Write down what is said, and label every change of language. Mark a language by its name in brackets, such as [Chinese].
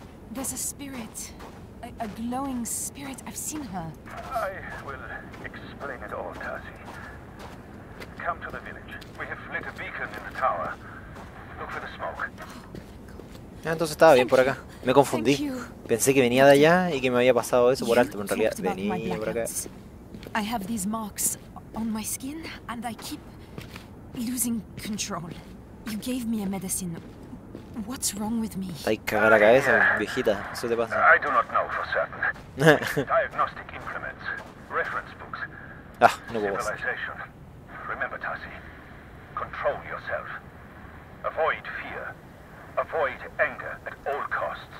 [English] There's a spirit, a glowing spirit. I've seen her. I will explain it all, Tazi. Come to the village. We have lit a beacon in the tower. Look for the smoke. [Spanish] Entonces estaba bien por acá. Me confundí. Gracias. Pensé que venía de allá y que me había pasado eso por alto, pero en realidad venía por acá. Tengo estas marcas en mi piel y sigo perdiendo control. [English] You gave me a medicine. What's wrong with me? [Spanish] Estáis cagada la cabeza, viejita. Eso te pasa. [English] I do not know for certain. Diagnostic implements, reference books. [Spanish] Ah, no puedo hacer. [English] Civilization. Remember, Tassi. Control yourself. Avoid fear. Avoid anger at all costs.